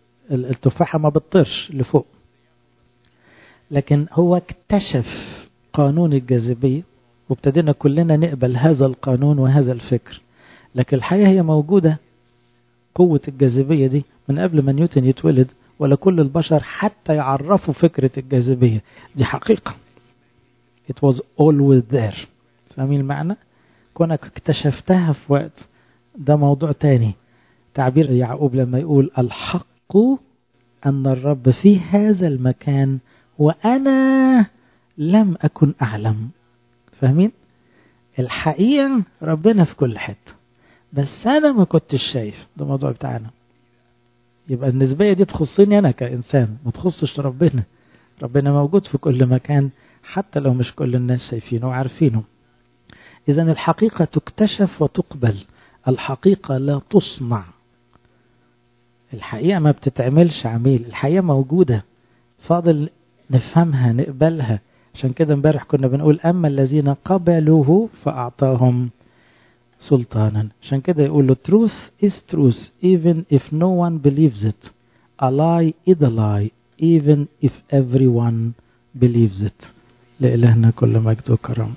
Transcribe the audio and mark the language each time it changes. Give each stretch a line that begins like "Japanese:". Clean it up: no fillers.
Arabic: التفاحة ما بتطيرش لفوق. لكن هو اكتشف قانون الجاذبية، وابتدينا كلنا نقبل هذا القانون وهذا الفكر. لكن الحقيقة هي موجودة، قوة الجاذبية دي، من قبل ما نيوتن يتولد ولا كل البشر حتى يعرفوا فكرة الجاذبية. دي حقيقة،
English: it was always there.
Arabic: فاهمين المعنى؟ كونك اكتشفتها في وقت، ده موضوع تاني. تعبير يعقوب لما يقول الحق أن الرب في هذا المكان وأنا لم أكن أعلم. فاهمين؟ الحقيقة ربنا في كل حتة، بس أنا ما كنتش شايف. ده موضوع بتاعنا. يبقى النسبية دي تخصني أنا كإنسان، ما تخصش ربنا. ربنا موجود في كل مكان، حتى لو مش كل الناس شايفينه وعارفينه. إذن الحقيقة تكتشف وتقبل، الحقيقة لا تصنع. الحقيقة ما بتتعملش عميل، الحقيقة موجودة، فاضل نفهمها نقبلها. عشان كده امبارح كنا بنقول أما الذين قبلوه فأعطاهم سلطانا. عشان كده يقول له
English: truth is truth even if no one believes it, a lie is a lie even if everyone believes it.
Arabic: لإلهنا كل مجد وكرم.